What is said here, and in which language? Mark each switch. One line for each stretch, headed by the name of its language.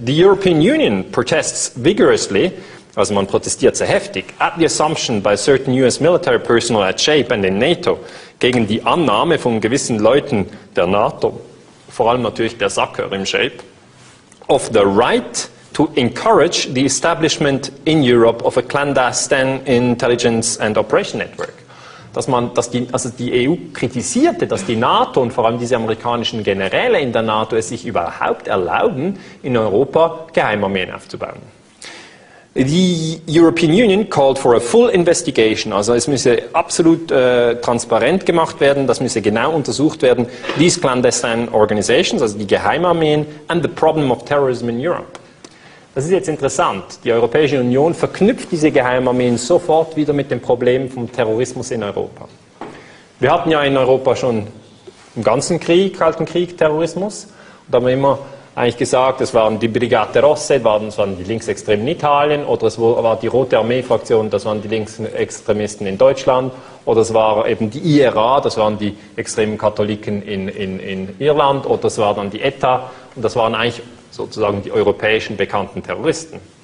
English: The European Union protests vigorously,
German: also man protestiert sehr heftig,
English: at the assumption by certain US military personnel at SHAPE and in NATO,
German: gegen die Annahme von gewissen Leuten der NATO, vor allem natürlich der SACEUR im SHAPE,
English: of the right to encourage the establishment in Europe of a clandestine intelligence and operation network.
German: Dass die EU kritisierte, dass die NATO und vor allem diese amerikanischen Generäle in der NATO es sich überhaupt erlauben, in Europa Geheimarmeen aufzubauen.
English: The European Union called for a full investigation.
German: Also es müsse absolut transparent gemacht werden, das müsse genau untersucht werden.
English: These clandestine organizations,
German: also die Geheimarmeen,
English: and the problem of terrorism in Europe.
German: Das ist jetzt interessant. Die Europäische Union verknüpft diese Geheimarmeen sofort wieder mit dem Problem vom Terrorismus in Europa. Wir hatten ja in Europa schon im ganzen Krieg, Kalten Krieg, Terrorismus. Und da haben wir immer eigentlich gesagt, es waren die Brigate Rosse, das waren die Linksextremen in Italien, oder es war die Rote Armee-Fraktion, das waren die Linksextremisten in Deutschland, oder es war eben die IRA, das waren die extremen Katholiken in Irland, oder es war dann die ETA, und das waren eigentlich sozusagen die europäischen bekannten Terroristen.